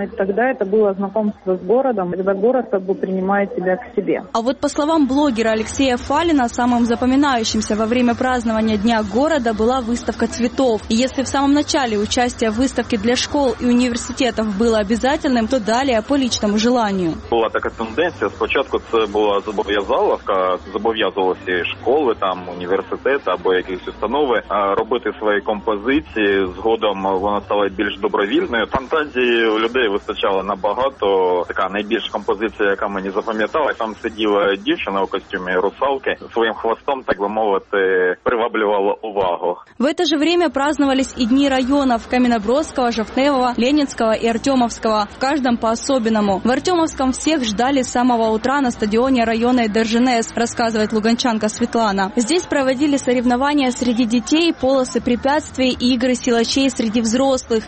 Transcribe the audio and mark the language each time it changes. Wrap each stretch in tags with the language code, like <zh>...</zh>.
<ru>И тогда это было знакомство с городом. Это город принимает тебя к себе. А вот по словам блогера Алексея Фалина, самым запоминающимся во время празднования Дня города была выставка цветов. И если в самом начале участие в выставке для школ и университетов было обязательным, то далее по личному желанию. Была такая тенденция.</ru> <uk>Спочатку</uk> <ru>это была</ru> <uk>зобов'язаловка, зобов'язувалися школы, там університети або якісь установи робити свої композиції. Згодом вона стала більш добровільною. Фантазії у людей вистачало набагато. Така найбільша композиція, яка мені запам'яталась, там сиділа дівчина у костюмі русалки, своїм хвостом, так би мовити, приваблювала увагу.</uk> <ru>В это же время праздновались и дни районов Каменноброского, Жовтневого, Ленинского и Артемовского. В каждом по-особенному. В Артемовском всех ждали с самого утра на стадионе района Держинес, рассказывает луганчанка Светлана. Здесь проводили соревнования среди детей, полосы препятствий и игры силачей среди взрослых.</ru>